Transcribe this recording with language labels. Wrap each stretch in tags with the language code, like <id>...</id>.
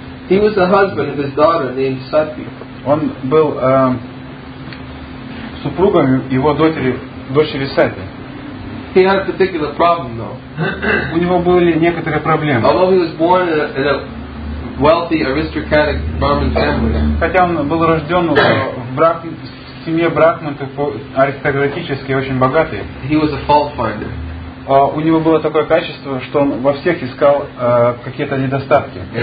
<en>He was the husband of his daughter named Sati.</en> <ru>Он был супругом его дочери Сати.</ru> <en>He had a particular problem, though.</en> <ru>У него были некоторые проблемы.</ru> <en>Although he was born in a wealthy aristocratic Brahmin family.</en> <ru>Хотя он был рожден в брахме. В семье брахманы аристократические, очень богатые.</ru> <en>He was a fault finder.</en> <ru>У него было такое качество, что он во всех искал какие-то недостатки.</ru>